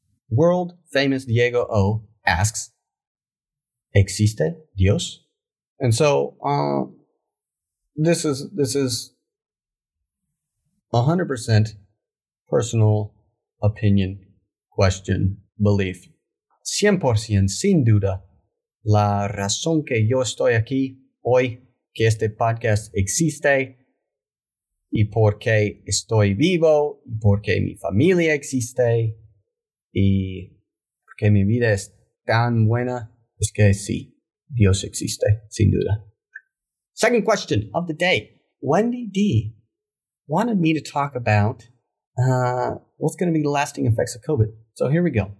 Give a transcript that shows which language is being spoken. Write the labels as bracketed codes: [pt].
[en] World famous Diego O asks, [es] ¿existe Dios? [en] And so this is 100% personal opinion, question, belief. [es] 100% sin duda, la razón que yo estoy aquí hoy, que este podcast existe, y porque estoy vivo, y porque mi familia existe, y porque mi vida es tan buena, es que sí, Dios existe, sin duda. [en] Second question of the day. Wendy D. wanted me to talk about what's going to be the lasting effects of COVID. So here we go.